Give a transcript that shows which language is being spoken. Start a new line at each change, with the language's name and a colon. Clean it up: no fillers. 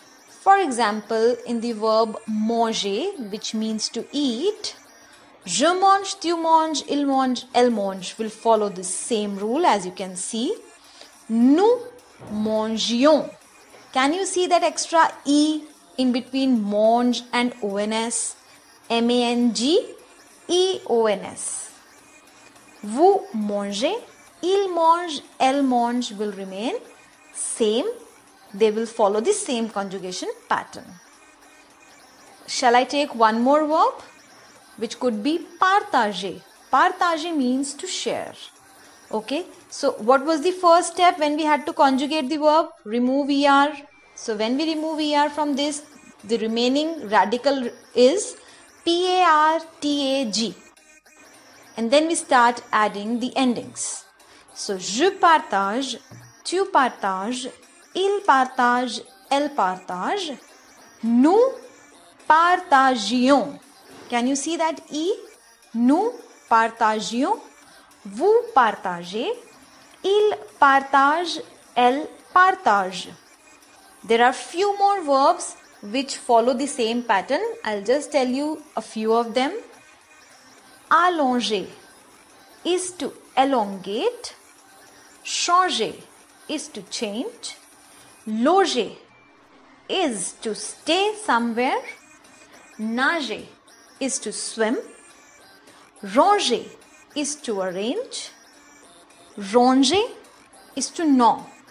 English: For example, in the verb manger, which means to eat,
French: je mange, tu manges, il mange, elle mange
English: will follow the same rule. As you can see,
French: nous mangeons.
English: Can you see that extra e in between mange and ons? M-A-N-G, E-O-N-S.
French: Vous mangez, il mange, elle mange
English: will remain same. They will follow the same conjugation pattern. Shall I take one more verb, which could be partager? Partager means to share. Okay, so what was the first step when we had to conjugate the verb? Remove er. So when we remove er from this, the remaining radical is partag, and then we start adding the endings. So
French: je partage, tu partages, il partage, elle partage, nous partagions.
English: Can you see that e?
French: Nous partagions, vous partagez, il partage, elle partage.
English: There are few more verbs which follow the same pattern. I'll just tell you a few of them. Allonger is to elongate, changer is to change, loger is to stay somewhere, nager is to swim, ranger is to arrange, ronger is to gnaw.